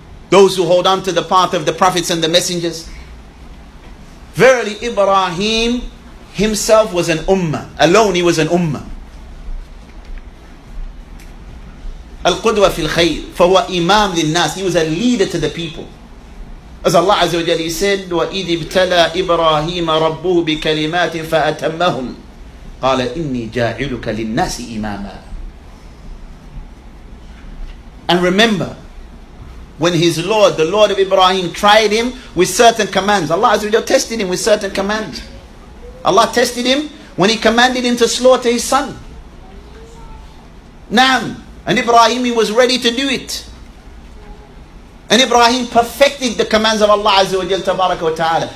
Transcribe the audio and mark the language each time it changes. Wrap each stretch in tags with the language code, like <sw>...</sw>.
<en>Those who hold on to the path of the prophets and the messengers. Verily, Ibrahim himself was an ummah. Alone, he was an ummah.</en> <ar>Al-Qudwa fil khayr, fahuwa imam lil-nas.</ar> <en>He was a leader to the people. As Allah Azza wa Jalla said,</en> <ar>وَإِذِ ابْتَلَى إِبْرَاهِيمَ رَبُّهُ بِكَلِمَاتٍ فَأَتَمَّهُمْ قَالَ إِنِّي جَاعِلُكَ لِلنَّاسِ إِمَامًا.</ar> <en>And remember, when his Lord, the Lord of Ibrahim, tried him with certain commands. Allah Azza wa Jalla tested him with certain commands. Allah tested him when He commanded him to slaughter his son. Naam. And Ibrahim, he was ready to do it. And Ibrahim perfected the commands of Allah Azza wa Jalla Tabaraka wa Ta'ala.</en>